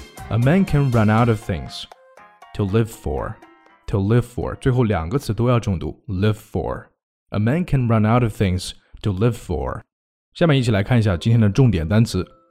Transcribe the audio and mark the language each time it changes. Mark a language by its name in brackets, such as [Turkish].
[English] A man can run out of things to live for. [Chinese] 最后两个词都要重读 [English] live for. A man can run out of things to live for. [Chinese] 下面一起来看一下今天的重点单词。